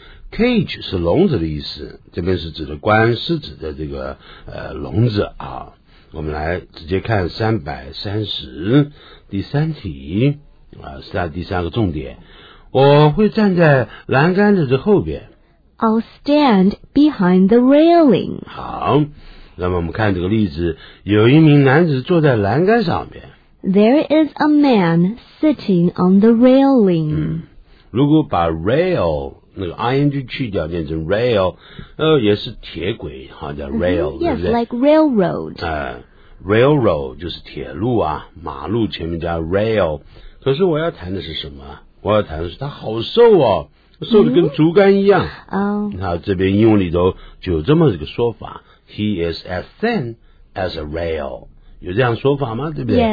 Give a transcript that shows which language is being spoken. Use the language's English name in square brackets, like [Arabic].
[Chinese] cage 是笼子的意思这边是指的关狮子的这个笼子啊我们来直接看330第三题、是它第三个重点我会站在栏杆子的后边 [English] I'll stand behind the railing [Chinese] 好那么我们看这个例子有一名男子坐在栏杆上面 [English] There is a man sitting on the railing、 [Chinese] 如果把 rail 那个 ing 去掉变成 rail 也是铁轨好叫 rail、 [English] Yes, like railroad、 [Chinese] railroad 就是铁路啊马路前面叫 rail 可是我要谈的是什么我要谈的是他好瘦哦瘦得跟竹竿一样、那这边英文里头就有这么一个说法 [English] He is as thin as a rail [Chinese] 有这样说法吗对不对